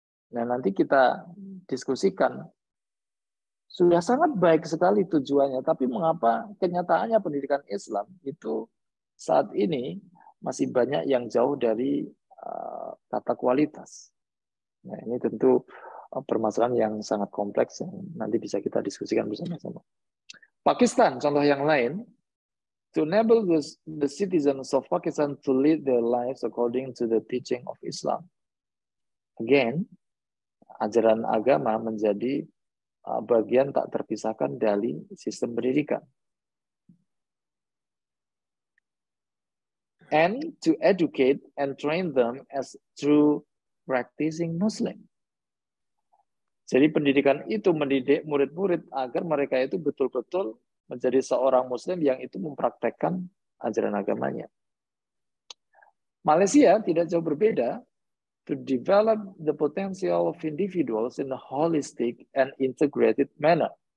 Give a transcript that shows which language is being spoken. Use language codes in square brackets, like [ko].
[id] Nah, nanti kita diskusikan, sudah sangat baik sekali tujuannya, tapi mengapa kenyataannya pendidikan Islam itu saat ini masih banyak yang jauh dari kata kualitas. Nah, ini tentu permasalahan yang sangat kompleks yang nanti bisa kita diskusikan bersama-sama. [en] Pakistan, [id] contoh yang lain, [en] to enable the citizens of Pakistan to lead their lives according to the teaching of Islam. [id] Again, ajaran agama menjadi bagian tak terpisahkan dari sistem pendidikan. [en] And to educate and train them as true practicing Muslim. [id] Jadi pendidikan itu mendidik murid-murid agar mereka itu betul-betul menjadi seorang Muslim yang itu mempraktekkan ajaran agamanya. Malaysia tidak jauh berbeda. [en] To develop the potential of individuals in a holistic and integrated manner.